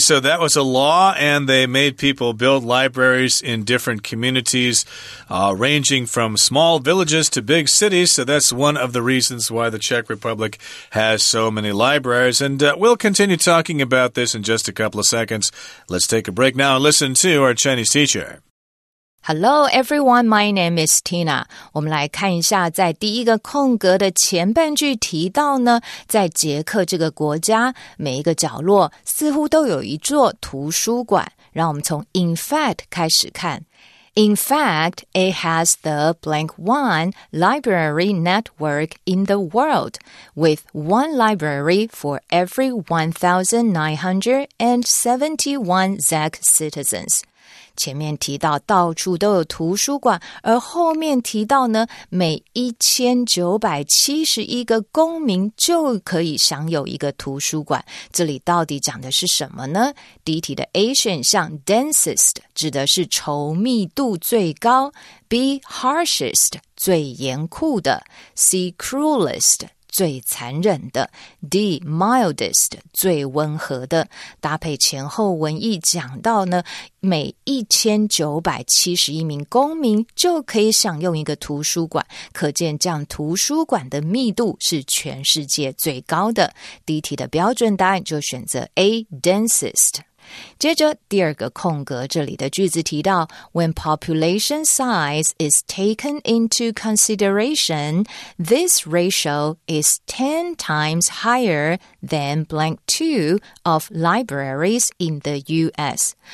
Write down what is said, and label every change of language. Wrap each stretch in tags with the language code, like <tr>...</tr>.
<en>So that was a law, and they made people build libraries in different communities, ranging from small villages to big cities. So that's one of the reasons why the Czech Republic has so many libraries. And we'll continue talking about this in just a couple of seconds. Let's take a break now and listen to our Chinese teacher. Hello, everyone. My name is Tina.</en> <zh>我们来看一下在第一个空格的前半句提到呢，在捷克这个国家，每一个角落似乎都有一座图书馆。让我们从 in fact 开始看。</zh> <en>In fact, it has the blank one library network in the world, with one library for every 1,971 Czech citizens.</en> <zh>前面提到到处都有图书馆，而后面提到呢，每1971个公民就可以享有一个图书馆。这里到底讲的是什么呢？第一题的 A 选项 densest 指的是稠密度最高 ，B harshest 最严酷的 ，C cruelest。最残忍的 ,D, mildest, 最温和的。搭配前后文意讲到呢，每1971名公民就可以享用一个图书馆，可见这样图书馆的密度是全世界最高的。第一题的标准答案就选择 A, densest。接着第二个空格这里的句子提到</zh> <en>When population size is taken into consideration, this ratio is 10 times higher than blank 2 of libraries in the US.</en>